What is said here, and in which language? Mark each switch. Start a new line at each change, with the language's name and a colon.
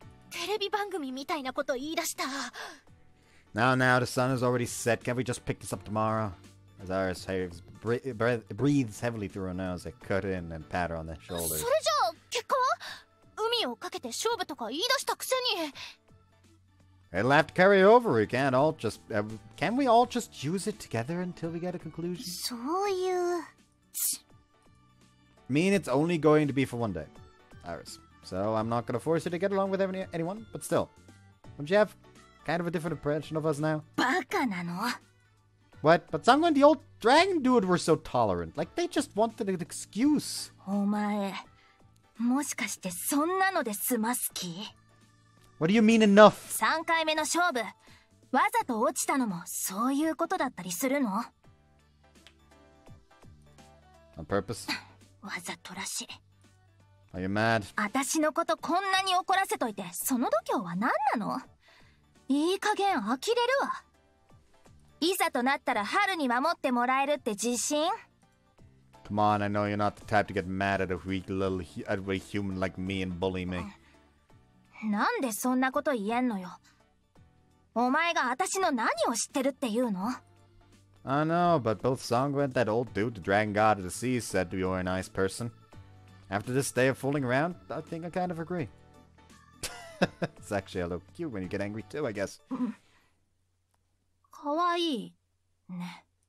Japanese: テレビ番組みたいなこと言い出した。
English: Now, the sun is already set. Can we just pick this up tomorrow? As Iris breathes heavily through her nose, I cut in and pat her on the shoulder.
Japanese: それじゃあ結果は？海をかけて勝負とか言い出したくせに。
English: It'll have to carry over. We can't all just can we all just use it together until we get a conclusion?
Japanese: そういう。
English: Mean it's only going to be for one day, Iris. So I'm not going to force you to get along with anyone. But still, don't you have kind of a different impression of us now?
Japanese: バカなの。
English: What? But Sango and the old dragon dude were so tolerant. Like, they just wanted an excuse.
Japanese: お前、もしかしてそんなので済ます気？
English: What do you mean enough?
Japanese: 3回目の勝負、わざと落ちたのもそういうことだったりするの？
English: On purpose?
Japanese: わざとらしい。
English: Are you mad?
Japanese: 私のことこんなに怒らせといて、その度胸は何なの？いい加減呆れるわ。いざとなったら春に守ってもらえるって自信？
English: Come on, I know you're not the type to get mad at a weak little human like me and bully me.
Japanese: なんでそんなこと言えんのよ。お前が私の何を知ってるって言うの？
English: I know, but both Sango and that old dude, the dragon god of the sea, said you're a nice person. After this day of fooling around, I think I kind of agree. It's actually a little cute when you get angry too, I guess.
Japanese: かわいいね。